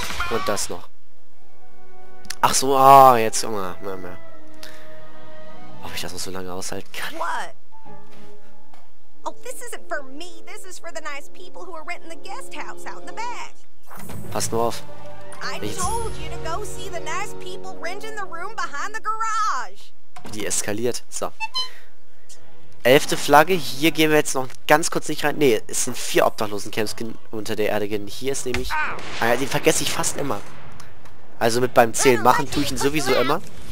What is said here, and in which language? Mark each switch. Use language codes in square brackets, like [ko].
[de] Und das noch. Ach so, ah, oh, jetzt immer. Ob ich das noch so lange aushalten kann. [en] What? Oh, this isn't for me. This is for the nice people who are renting the guest house out in the back. [de] Pass nur auf. [en] I told you to go see the nice people renting the room behind the garage. [de] Wie die eskaliert. So. 11. Flagge. Hier gehen wir jetzt noch ganz kurz nicht rein. Nee, es sind 4 obdachlosen Camps unter der Erde. Hier ist nämlich... Ah ja, den vergesse ich fast immer. Also mit beim Zählen machen tue ich ihn sowieso immer.